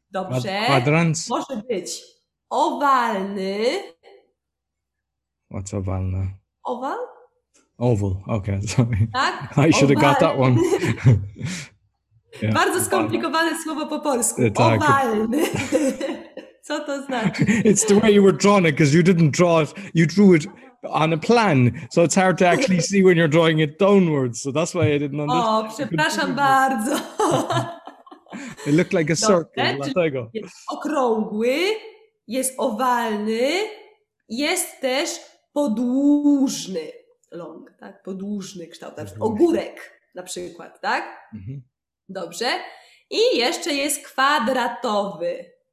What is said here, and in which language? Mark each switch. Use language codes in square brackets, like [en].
[pl] Dobrze. [en] Quadrant. [pl] Może być owalny. [en] What's owalny? Oval? Oval, okay, sorry. [pl] Tak? [en] I should have got that one. Yeah. [pl] Bardzo skomplikowane owalny. Słowo po polsku. Tak. Owalny. Co to znaczy? [en] It's the way you were drawing it, because you didn't draw it, you drew it on a plan, so it's hard to actually see when you're drawing it downwards, so that's why I didn't understand. [pl] O, przepraszam bardzo. [en] It looked like a circle, [pl] dlatego. Jest okrągły, jest owalny, jest też podłużny. Long, tak? Podłużny kształt. Ogórek na przykład, tak? Mm-hmm. Dobrze. I jeszcze jest kwadratowy.